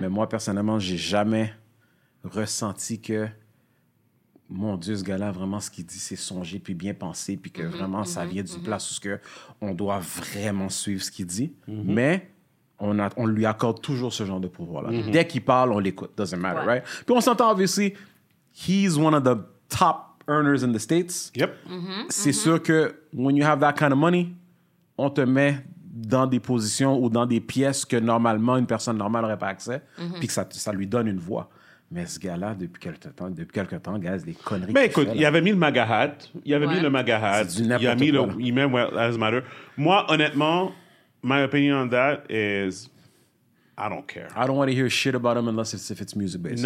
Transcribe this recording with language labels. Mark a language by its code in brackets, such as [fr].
[fr] Mais moi personnellement j'ai jamais ressenti que mon Dieu, ce gars-là, vraiment, ce qu'il dit, c'est songer puis bien penser, puis que vraiment, ça vient du place où on doit vraiment suivre ce qu'il dit. Mais on lui accorde toujours ce genre de pouvoir-là. Dès qu'il parle, on l'écoute. [en] Doesn't matter, right? [fr] Puis on s'entend, [en] obviously, he's one of the top earners in the States. Yep. [fr] C'est sûr que [en] when you have that kind of money, [fr] on te met dans des positions ou dans des pièces que normalement, une personne normale n'aurait pas accès, puis que ça lui donne une voix. Mais ce gars-là, depuis quelques temps, gars, des conneries. Mais écoute, il avait mis le MAGA hat. Il avait mis le MAGA hat. Il a mis quoi, le même White Lives Matter. Moi, honnêtement, [en] my opinion on that is, I don't care. I don't want to hear shit about him unless if it's music-based.